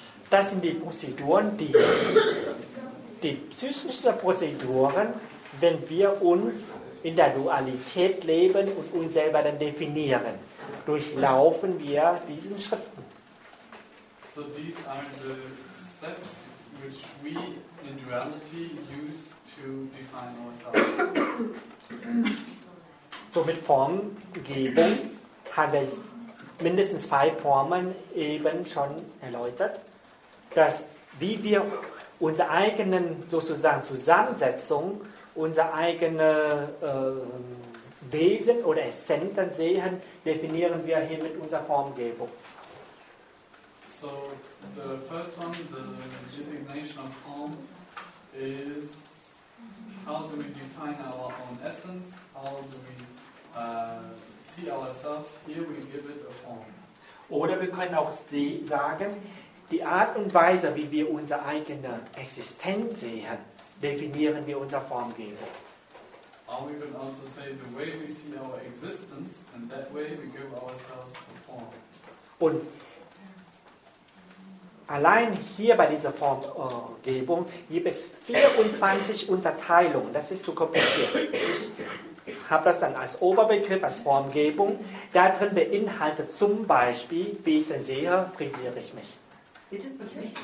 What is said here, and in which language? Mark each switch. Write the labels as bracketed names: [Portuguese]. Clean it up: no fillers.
[German] Das sind die Prozeduren, die psychische Prozeduren, wenn wir uns in der Dualität leben und uns selber dann definieren. Durchlaufen wir diesen Schritten. [English] So these are the steps which we in duality use to define ourselves. [German] So mit Formgebung haben wir mindestens zwei Formen eben schon erläutert, dass wie wir unsere eigenen sozusagen Zusammensetzung, unser eigenes Wesen oder Essenz dann sehen, definieren wir hier mit unserer Formgebung. [English] So, the first one, the designation of form, is how do we define our own essence, how do we see ourselves, here we give it a form. [German] Oder wir können auch sagen, die Art und Weise, wie wir unsere eigene Existenz sehen, definieren wir unsere Formgebung. [English] Or we could also say the way we see our existence, and that way we give ourselves a form. [German] Und allein hier bei dieser Formgebung gibt es 24 Unterteilungen. Das ist zu kompliziert. Ich habe das dann als Oberbegriff, als Formgebung. Da drin beinhaltet zum Beispiel, wie ich dann sehe, frisiere ich mich.